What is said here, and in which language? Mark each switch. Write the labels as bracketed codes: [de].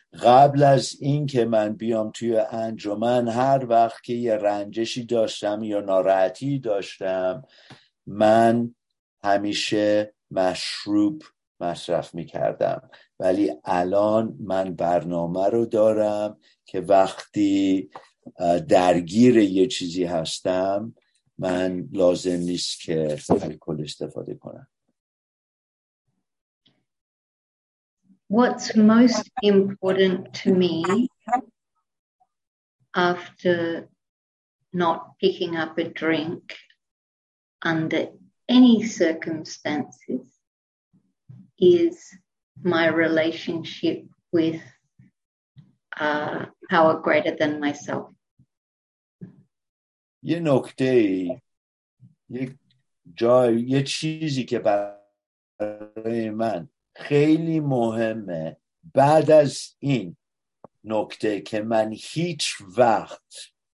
[fa] قبل از این که من بیام توی انجمن هر وقت که یه رنجشی داشتم یا ناراحتی داشتم من همیشه مشروب مصرف میکردم. ولی الان من برنامه رو دارم که وقتی درگیر یه چیزی هستم من لازم نیست که الکل استفاده کنم. [en] What's most important to me after not picking up a drink under any circumstances is my relationship with power greater than myself. [fa] یه نکته ای، یک جای، یه چیزی که برای من خیلی مهمه بعد از این نکته که من هیچ وقت